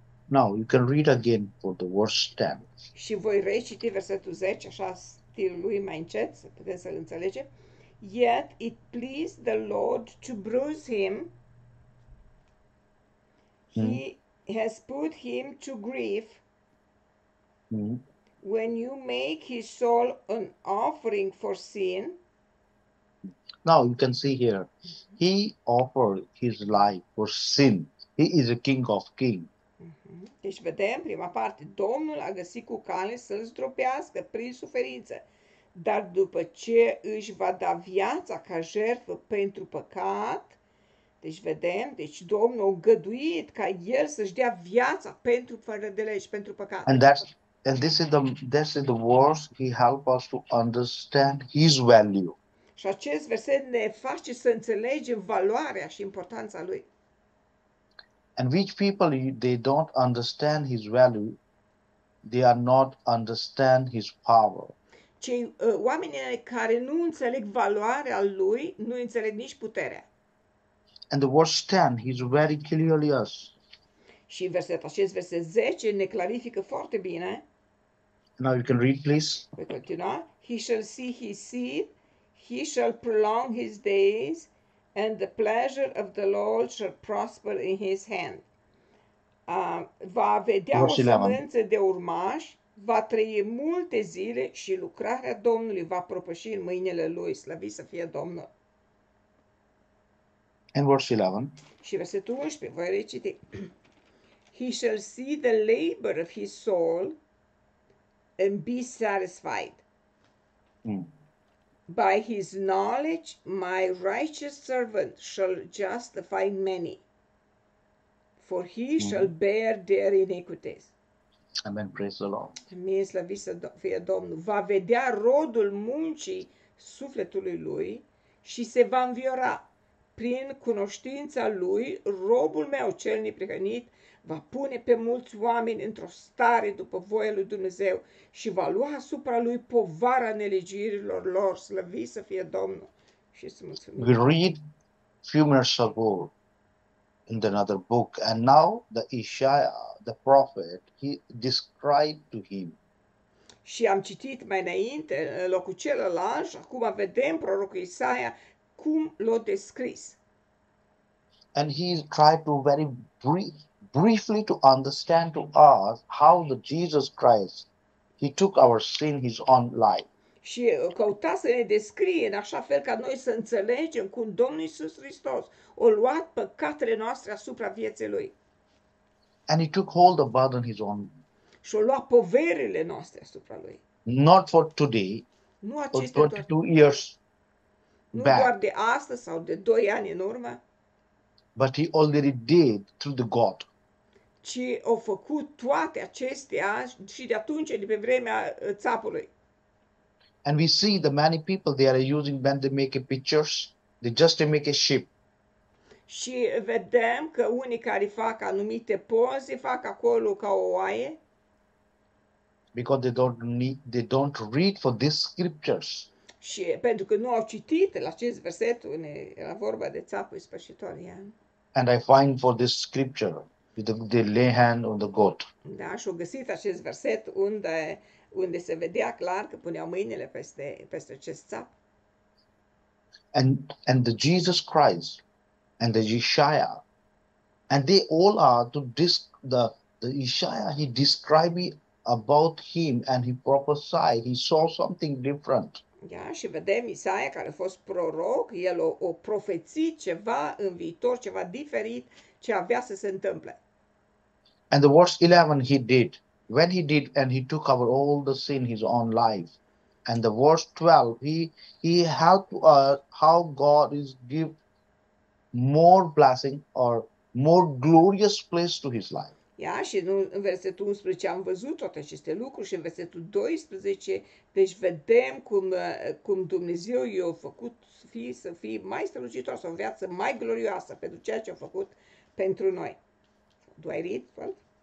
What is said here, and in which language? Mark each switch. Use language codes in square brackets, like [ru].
[en] Now you can read again for the verse 10. [ro] Și voi reciti versetul 10, așa stilul lui mai încet, să putem să-l înțelegem. [en] Yet it pleased the Lord to bruise him. He has put him to grief. When you make his soul an offering for sin. Now you can see here, he offered his life for sin. He is a king of kings. [ro] Deci vedem, prima parte, Domnul a găsit cu cale să-l zdrobească prin suferință, dar după ce își va da viața ca jertfă pentru păcat, deci vedem, deci Domnul a găduit ca el să-și dea viața pentru fără de lege, pentru păcat. [en] And this is the words he helps us to understand his value. [ro] Și acest verset ne face să înțelegem valoarea și importanța lui. [en] And which people, they don't understand his value, they are not understand his power. [ro] Cei oamenii care nu înțeleg valoarea lui, nu înțeleg nici puterea. [en] And the word stand, he's very clearly us. [ro] Și acest verset 10 ne clarifică foarte bine. [en] Now you can read, please. [ro] Voi continua. [en] He shall see his seed, he shall prolong his days, and the pleasure of the Lord shall prosper in his hand. [ro] Va vedea o sămânță de urmași, va trăi multe zile și lucrarea Domnului va propăși în mâinile lui. Slăvit să fie Domnul. [en] And verse 11. [ro] Și versetul 11, voi reciti. [en] He shall see the labor of his soul and be satisfied. By his knowledge, my righteous servant shall justify many, for he shall bear their iniquities. Amen. Praise the Lord. [ro] Amin. Slăviți să fie Domnul. Va vedea rodul muncii sufletului lui și se va înviora. Prin cunoștința lui, robul meu cel neprihănit va pune pe mulți oameni într-o stare după voia lui Dumnezeu și va lua asupra lui povara nelegirilor lor. Slăvi să fie Domnul. Și să mulțumim. [en] We read few minutes ago in another book, and now the Isaiah, the prophet, he described to him. [ro] Și am citit mai înainte, în locul celălalt, acum vedem prorocul Isaia cum l-a descris. [en] And he tried to very briefly to understand to us how the Jesus Christ, he took our sin, his own life. [ro] Și căuta să ne descrie în așa fel ca noi să înțelegem cum Domnul Iisus Hristos a luat păcatele noastre asupra vieții lui. [en] And he took hold of the burden his own. [ro] Și a luat poverile noastre asupra lui. [en] Not for today, [ro] nu aceste [en] but 22 doar, years back. [ro] Nu doar de astăzi sau de 2 ani în urmă. [en] But he already did through the God. [ro] Ci a făcut toate acestea și de atunci, de pe vremea țapului. [en] And we see the many people they are using when they make pictures, they just make a ship. [ro] Și vedem că unii care fac anumite poze fac acolo ca o oaie. [en] Because they don't read for these scriptures. [ro] Și pentru că nu au citit la acest verset, era vorba de țapul ispășitor. [en] And I find for this scripture with the lay hand on the goat. [ro] Da, și-o găsit acest verset unde se vedea clar că puneau mâinile peste acest țap. [en] And the Jesus Christ and the Isaia, and they all are to the Isaia, he described about him and he prophesied, he saw something different. [ro] Da, și vedem Isaia care a fost proroc, el o profețit ceva în viitor, ceva diferit ce avea să se întâmple. [en] And the verse 11 he did. When he did and he took over all the sin his own life. And the verse 12, he helped us how God is give more blessing or more glorious place to his life. [ro] Ia, și în versetul 11 am văzut toate aceste lucruri și în versetul 12, deci vedem cum Dumnezeu i-a făcut să fie mai strălucitor sau o viață mai glorioasă pentru ceea ce a făcut pentru noi. [en] Do I read? Well?